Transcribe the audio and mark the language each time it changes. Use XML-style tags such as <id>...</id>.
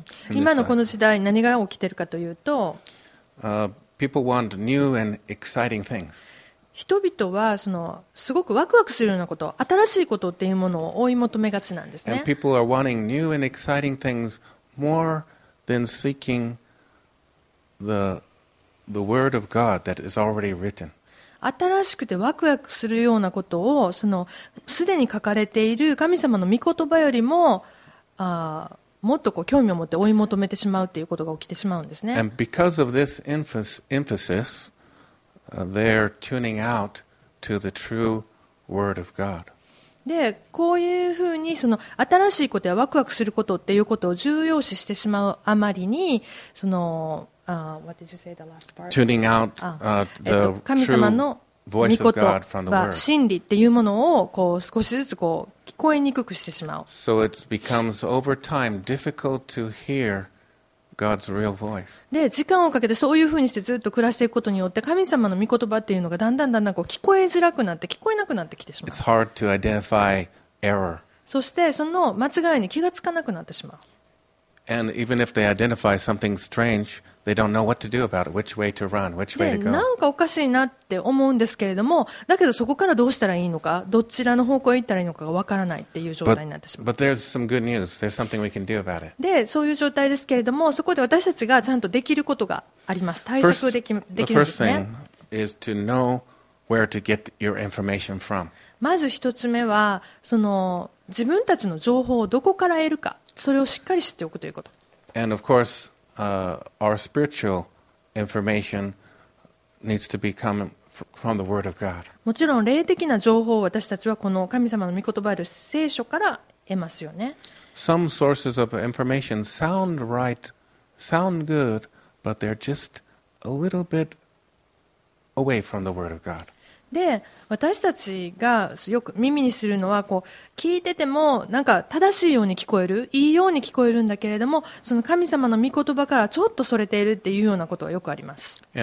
<ja>今のこの時代何が起きているかというと、</ja> <en>people want new and exciting things.</en> <ja>人々はそのすごくワクワクするようなこと、新しいことっていうものを追い求めがちなんですね。</ja> <en>And people are wanting new and exciting things more than seeking the word of God that is already written.</en> <ja>新しくてワクワクするようなことをそのすでに書かれている神様の御言葉よりももっとこう興味を持って追い求めてしまうということが起きてしまうんですね。</ja> <en>And because of this emphasis, they're tuning out to the true word of God.</en> <ja>でこういうふうにその新しいことやワクワクすることっていうことを重要視してしまうあまりにその、</ja> <en>What did you say the last part? Tuning out, the</en> <ja>神様の御言葉真理っていうものをこう少しずつこう聞こえにくくしてしまう。</ja> <en>So it becomes over time difficult to hearGod's real voice.</en> <ja>で時間をかけてそういうふうにしてずっと暮らしていくことによって神様の御言葉っていうのがだんだんだんだんこう聞こえづらくなって聞こえなくなってきてしまう。</ja> <en>It's hard to identify error.</en> <ja>そしてその間違いに気がつかなくなってしまう。</ja> <en>And even if they identify something strange, they don't know what to do about it, which way to run, which way to go.</en> <ja>でなんかおかしいなって思うんですけれどもだけどそこからどうしたらいいのかどちらの方向へ行ったらいいのかがわからないっていう状態になってしまう。</ja> <en>But there's some good news. There's something we can do about it.</en> <ja>でそういう状態ですけれどもそこで私たちがちゃんとできることがあります。対策できるんですね。</ja> <en>The first thing is to know where to get your information from.</en> <ja>まず一つ目はその自分たちの情報をどこから得るかそれをしっかり知っておくということ。</ja> <en>And of courseOur spiritual information needs to be coming from the Word of God.</en> <ja>もちろん霊的な情報を私たちはこの神様の御言葉である聖書から得ますよね。</ja> <en>Some sources of information sound right, sound good, but they're just a little bit away from the Word of God.</en> <ja>で私たちがよく耳にするのはこう聞いててもなんか正しいように聞こえるいいように聞こえるんだけれどもその神様の御言葉からちょっとそれているっていうようなことがよくあります。</ja>